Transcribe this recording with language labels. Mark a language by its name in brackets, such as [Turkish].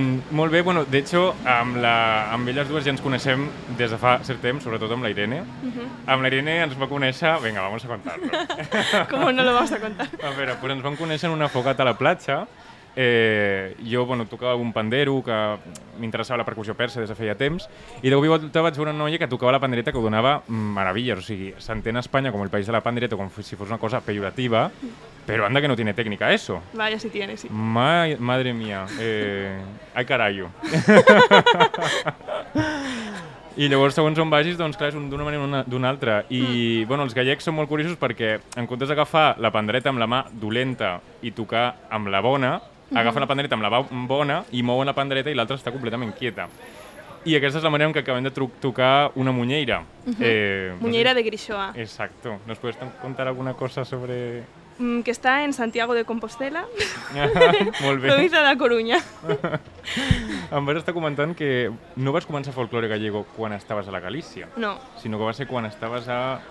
[Catalan] Molt bé, bueno, [Spanish] de hecho, [Catalan] amb elles dues ja ens coneixem des de fa cert temps, sobretot amb la Irene. Uh-huh. Amb la Irene ens va conèixer... [Spanish] Venga, vamos a contar. ¿Cómo no lo vamos a contar? [Catalan] A veure, pues ens vam conèixer en una fogata a la platja. Jo, bueno, tocava un pandero que m'interessava la percussió persa des de feia temps i de cop i volta vaig veure una noia que tocava la pandereta que ho donava meravelles. O sigui, s'entén a Espanya com el país de la pandereta com si fos una cosa pejorativa. [Spanish] Pero anda que no tiene técnica eso. Vaya, sí tiene, sí. Madre mía. Ay, carallo. [Catalan] I llavors, segons on vagis, doncs clar, és d'una manera o d'una altra. I, bueno, els gallecs són molt curiosos perquè en comptes d'agafar la pandereta amb la mà dolenta i tocar amb la bona, agafen la pandereta amb la bona i mouen la pandereta i l'altra està completament quieta. I aquesta és la manera en què acabem de tocar una muñeira. Uh-huh. Muñeira, no sé, de Grixoa. [Spanish] Exacto. ¿Nos puedes contar alguna cosa sobre...? Que está en Santiago de Compostela, provincia de La Coruña. En Vera está comentando que no vas a comenzar folclore gallego cuando estabas a la Galicia. No. Sino que va a ser cuando estabas a...